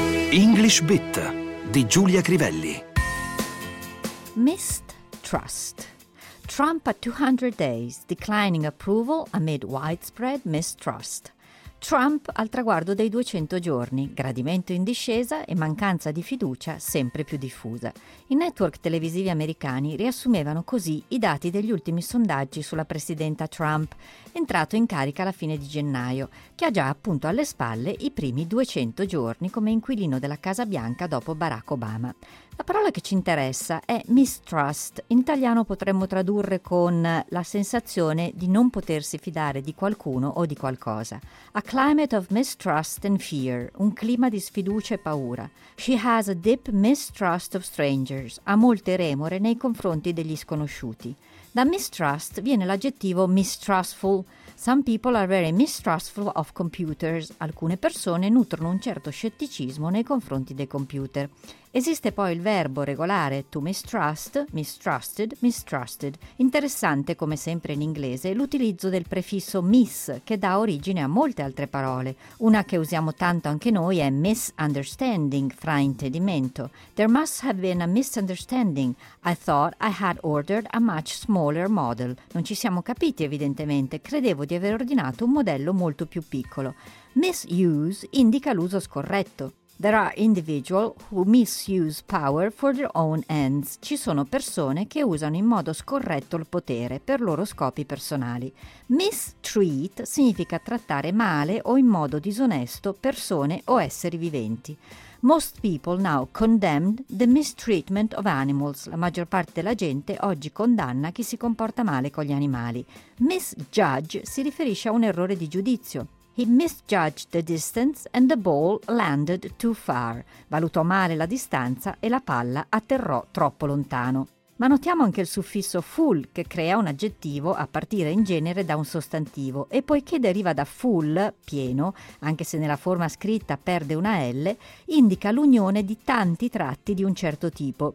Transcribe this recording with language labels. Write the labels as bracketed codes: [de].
[it] English Bit di Giulia Crivelli. [en] Missed trust. Trump at 200 days, declining approval amid widespread mistrust. [it] Trump al traguardo dei 200 giorni, gradimento in discesa e mancanza di fiducia sempre più diffusa. I network televisivi americani riassumevano così i dati degli ultimi sondaggi sulla presidenta Trump, entrato in carica alla fine di gennaio, che ha già appunto alle spalle i primi 200 giorni come inquilino della Casa Bianca dopo Barack Obama. La parola che ci interessa è mistrust. In italiano potremmo tradurre con la sensazione di non potersi fidare di qualcuno o di qualcosa. [en] A climate of mistrust and fear, [it] un clima di sfiducia e paura. [en] She has a deep mistrust of strangers, [it] ha molte remore nei confronti degli sconosciuti. Da mistrust viene l'aggettivo mistrustful. [en] Some people are very mistrustful of computers. [it] Alcune persone nutrono un certo scetticismo nei confronti dei computer. Esiste poi il verbo regolare to mistrust, mistrusted, mistrusted. Interessante, come sempre in inglese, l'utilizzo del prefisso miss, che dà origine a molte altre parole. Una che usiamo tanto anche noi è misunderstanding, fraintendimento. [en] There must have been a misunderstanding. I thought I had ordered a much smaller model. [it] Non ci siamo capiti, evidentemente. Credevo di aver ordinato un modello molto più piccolo. Misuse indica l'uso scorretto. [en] There are individuals who misuse power for their own ends. [it] Ci sono persone che usano in modo scorretto il potere per loro scopi personali. Mistreat significa trattare male o in modo disonesto persone o esseri viventi. [en] Most people now condemn the mistreatment of animals. [it] La maggior parte della gente oggi condanna chi si comporta male con gli animali. Misjudge si riferisce a un errore di giudizio. [en] He misjudged the distance and the ball landed too far. [it] Valutò male la distanza e la palla atterrò troppo lontano. Ma notiamo anche il suffisso full, che crea un aggettivo a partire in genere da un sostantivo, e poiché deriva da full, pieno, anche se nella forma scritta perde una L, indica l'unione di tanti tratti di un certo tipo.